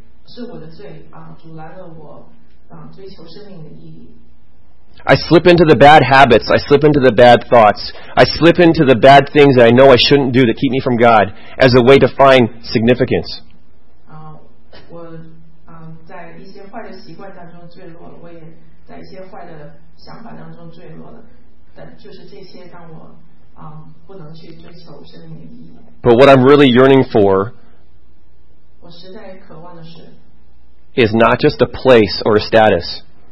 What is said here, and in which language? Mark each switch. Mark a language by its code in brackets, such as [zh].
[zh] 是我的罪阻拦了我追求生命的意义。 [en] I slip into the bad habits, I slip into the bad thoughts, I slip into the bad things that I know I shouldn't do that keep me from God as a way to find significance. [zh] 我在一些坏的习惯当中坠落了，我也在一些坏的想法当中坠落了，但就是这些让我不能去追求生命的意义。 [en] But what I'm really yearning for, [zh] 我实在渴望的是, [en] is not just a place or a status.